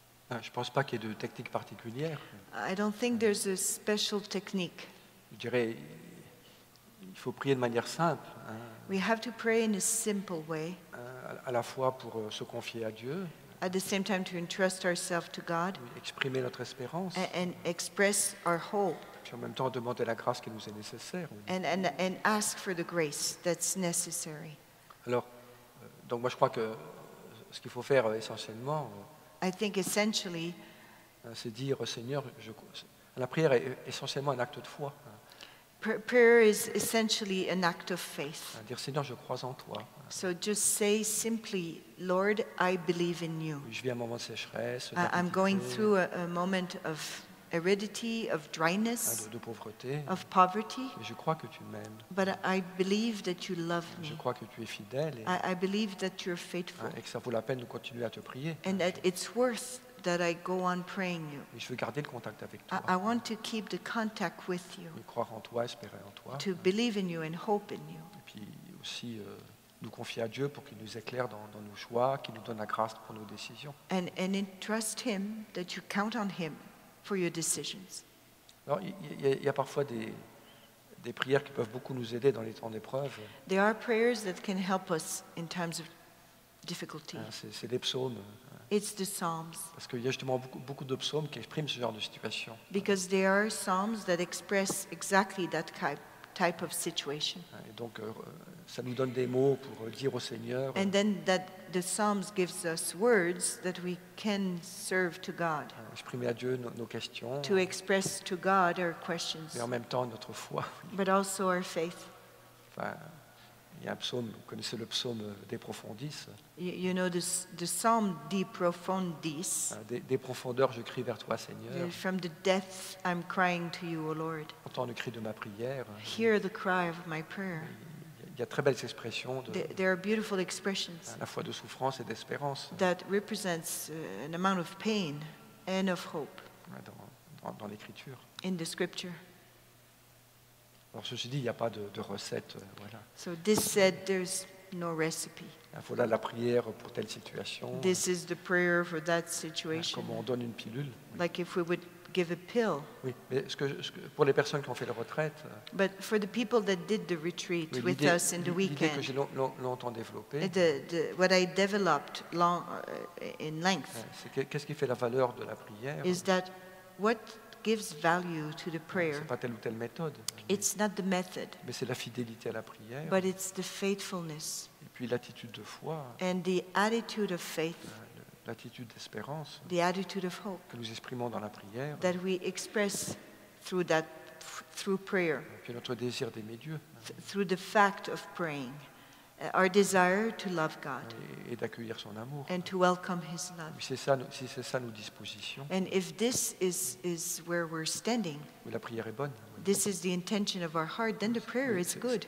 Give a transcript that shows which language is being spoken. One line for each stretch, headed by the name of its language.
French: Je ne pense pas qu'il y ait de technique particulière.
English: I don't think there's a special technique.
French: Je dirais, il faut prier de manière simple.
English: We have to pray in a simple way.
French: À la fois pour se confier à Dieu.
English: At the same time to entrust ourselves to God.
French: Exprimer notre espérance.
English: And express our hope.
French: Puis en même temps demander la grâce qui nous est nécessaire.
English: And ask for the grace that's necessary.
French: Alors, donc moi je crois que ce qu'il faut faire essentiellement.
English: I think essentially,
French: c'est dire Seigneur, la prière est essentiellement un acte de foi.
English: Prayer is essentially an act of faith.
French: Dire Seigneur, je crois en toi.
English: So just say simply, Lord, I believe in you.
French: Je vis un moment de sécheresse.
English: I'm going through a moment of aridity, of dryness,
French: de pauvreté.
English: Of poverty.
French: Mais je crois que tu m'aimes.
English: But I believe that you love me.
French: Je crois que tu es fidèle.
English: I believe that you're faithful.
French: Et que ça vaut la peine de continuer à te prier.
English: And that it's worth that I go on praying you.
French: Et je veux garder le contact avec toi.
English: I want to keep the contact with you.
French: Et croire en toi, espérer en toi.
English: To believe in you and hope in you.
French: Et puis aussi nous confier à Dieu pour qu'il nous éclaire dans nos choix, qu'il nous donne la grâce pour nos décisions.
English: And entrust him that you count on him.
French: For your decisions.
English: Alors, il y a parfois des prières qui peuvent beaucoup nous aider dans les temps d'épreuve.
French: There are prayers that can help us in times of difficulty.
English: C'est des psaumes.
French: It's the psalms.
English: Parce qu'il y a justement beaucoup de psaumes qui expriment ce genre de situation.
French: Because there are psalms that express exactly that type of situation.
English: Et donc, ça nous donne des mots pour dire au Seigneur.
French: And then that the Psalms gives us words that we can serve to God.
English: Exprimer à Dieu nos questions.
French: To express to God our questions.
English: Mais en même temps notre foi.
French: But also our faith.
English: Enfin, il y a un psaume, vous connaissez le psaume De Profundis.
French: You know the Psalm De Profundis.
English: Des profondeurs, je crie vers toi, Seigneur.
French: From the depths, I'm crying to you, O Lord.
English: Entends le cri de ma prière.
French: Hear the cry of my prayer.
English: Il y a très belles expressions à la fois de souffrance et d'espérance.
French: That represents an amount of pain and of hope.
English: Dans l'écriture.
French: In the scripture.
English: Alors, ceci dit, il n'y a pas de recette.
French: Voilà.
English: So this said, there's no recipe.
French: Voilà la prière pour telle situation.
English: This is the prayer for that situation.
French: Comme on donne une pilule.
English: Like if we would give a pill.
French: Oui, mais ce que, pour les personnes qui ont fait la retraite.
English: But for the people that did the retreat
French: oui,
English: with us in the weekend.
French: L'idée que j'ai longtemps développée.
English: What I developed long in length.
French: C'est qu'est-ce qui fait la valeur de la prière?
English: Is that what gives value to the prayer?
French: C'est pas telle ou telle méthode.
English: It's not the method.
French: Mais c'est la fidélité à la prière.
English: But it's the faithfulness.
French: Puis l'attitude de foi,
English: and the attitude of faith,
French: l'attitude d'espérance,
English: the attitude of hope,
French: que nous exprimons dans la prière,
English: that we express through that, through prayer,
French: et puis notre désir d'aimer Dieu,
English: through the fact of praying, our desire to love God,
French: et d'accueillir son amour,
English: and to welcome His love.
French: Si c'est ça nos dispositions,
English: and if this is where we're standing,
French: la prière est bonne.
English: This is the intention of our heart, then the prayer is good.